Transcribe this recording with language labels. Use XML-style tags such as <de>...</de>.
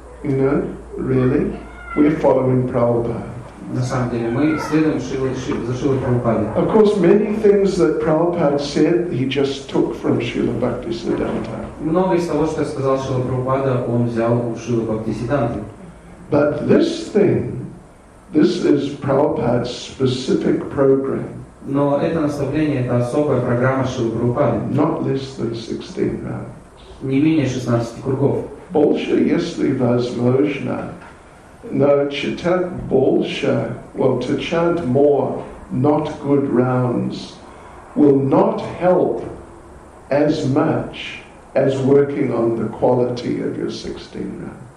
<en>You know, really? We're following Prabhupada.</en> <ru>На самом деле мы следуем за Шрилой Прабхупадой.</ru> <en>Of course, many things that Prabhupada said, he just took from Srila Bhaktisiddhanta.</en> <ru>Многое из того, что сказал Шрила Прабхупада, он взял у Шрилы Бхактисиддханты.</ru> <en>But this thing, this is Prabhupada's specific program.</en> <ru>Но это наставление, это особая программа Шрилы Прабхупады.</ru> <en>Not less than 16 rounds.</en> <ru>не менее 16 кругов. Больше, если возможно, но читать больше,</ru> <en>well, to chant more, not good rounds, will not help as much as working on the quality of your 16 rounds.</en>